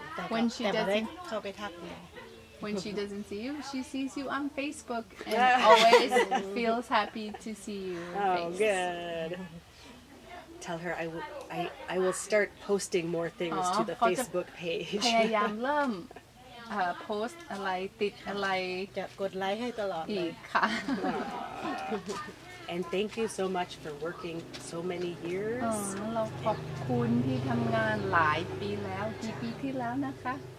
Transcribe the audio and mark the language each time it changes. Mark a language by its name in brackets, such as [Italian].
[English] When she doesn't see you, she sees you on Facebook and always feels happy to see you. Oh, good. Tell her I will start posting more things to the Facebook page. [Thai] พยายามเริ่ม post อะไรติดอะไร กด like ให้ตลอดเลย อีกค่ะ [English] And thank you so much for working so many years. [Thai] เราขอบคุณที่ทำงานหลายปีแล้ว กี่ปีที่แล้วนะคะ